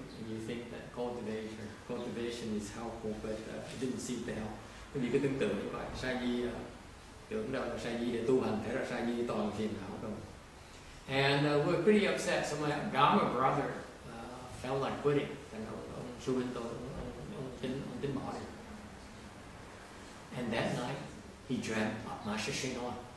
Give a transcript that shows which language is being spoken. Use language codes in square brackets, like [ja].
[en] You think that cultivation is helpful, but it didn't seem to help. [vi] Cái gì cứ tương tự như vậy. Sa di tưởng đâu là sa di để tu hành, thế ra sa di toàn là phiền não không? [en] And we're pretty upset. So my Gama brother felt like quitting. [vi] And ông Su Minh Tô, ông tính bỏ đi. [en] And that night, he dreamt of Master Shinoi.